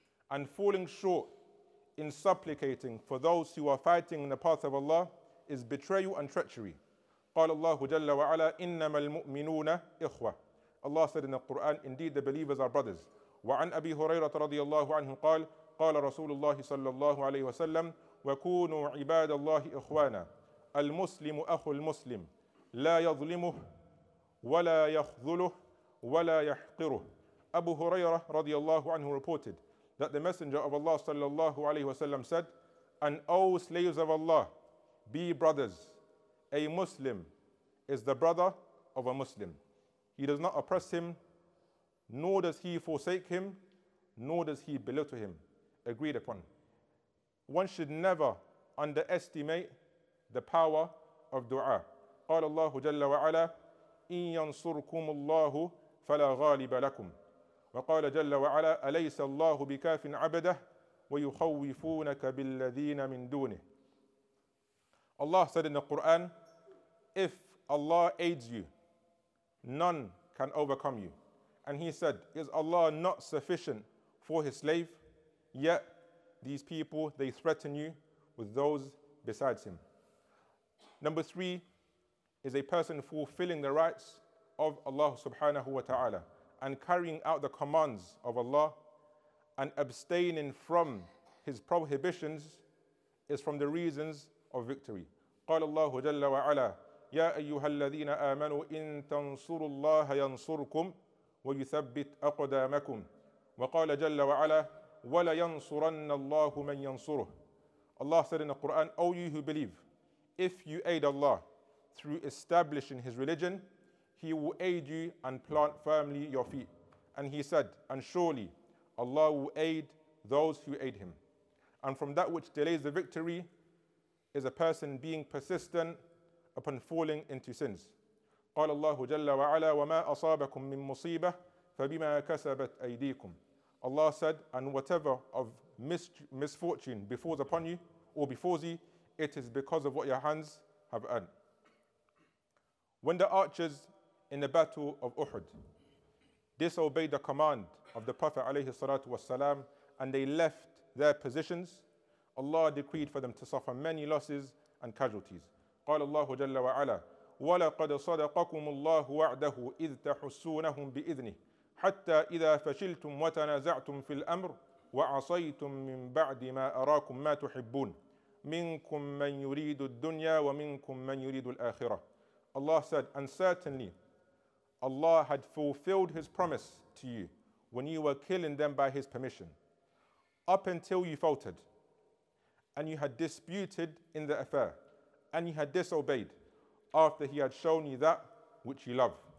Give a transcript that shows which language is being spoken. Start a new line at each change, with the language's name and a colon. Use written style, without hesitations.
English: And falling short in supplicating for those who are fighting in the path of Allah is betrayal and treachery.
Arabic: قال الله جل وعلا إنما المؤمنون إخوة.
English: Allah said in the Quran, indeed the believers are brothers.
Arabic: وعن أبي هريرة رضي الله عنه قال قال رسول الله صلى الله عليه وسلم وكونوا عباد الله إخوانا المسلم أخو المسلم لا يظلمه ولا يخذله ولا يحقره.
English: Abu Hurairah
Arabic: رضي الله عنه
English: reported that the Messenger of Allah
Arabic: صلى الله عليه وسلم
English: said, and all slaves of Allah, be brothers. A Muslim is the brother of a Muslim. He does not oppress him, nor does he forsake him, nor does he belittle him. Agreed upon. One should never underestimate the power of dua.
Arabic: قال الله جل وعلا إن ينصركم الله فلا غالب لكم. وقال جل وعلا أليس الله بكاف عبده ويخوفونك بالذين من دونه.
English: Allah said in the Quran, if Allah aids you, none can overcome you. And he said, is Allah not sufficient for his slave? Yet these people, they threaten you with those besides him. Number three is a person fulfilling the rights of Allah
Arabic: subhanahu wa ta'ala
English: and carrying out the commands of Allah and abstaining from his prohibitions is from the reasons of victory.
Arabic: قال الله جل وعلا يا أيها الذين آمنوا إن تنصروا الله ينصركم ويثبت أقدامكم. وقال جل وعلا ولا ينصرن الله من ينصره.
English: Allah said in the Quran, O you who believe, if you aid Allah through establishing his religion, he will aid you and plant firmly your feet. And he said, and surely Allah will aid those who aid him. And from that which delays the victory is a person being persistent upon falling into sins.
Arabic: قال الله جل وعلا وما أصابكم من مصيبة فبما كسبت أيديكم.
English: Allah said, and whatever of misfortune befalls upon you or befalls you, it is because of what your hands have earned. When the archers in the battle of Uhud disobeyed the command of the Prophet
Arabic: alayhi salatu wasalam
English: and they left their positions, Allah decreed for them to suffer many losses and casualties.
Arabic: قال الله جل وعلا وَلَقَدْ صَدَقَكُمُ اللَّهُ وَعْدَهُ إِذْ تَحُسُّونَهُمْ بِإِذْنِهِ. حتى إذا فشلتم وتنازعتم في الأمر وعصيتم من بعد ما أراكم ما تحبون منكم من يريد الدنيا ومنكم من يريد الآخرة.
English: Allah said, and certainly Allah had fulfilled His promise to you when you were killing them by His permission. Up until you faltered and you had disputed in the affair and you had disobeyed after He had shown you that which you love.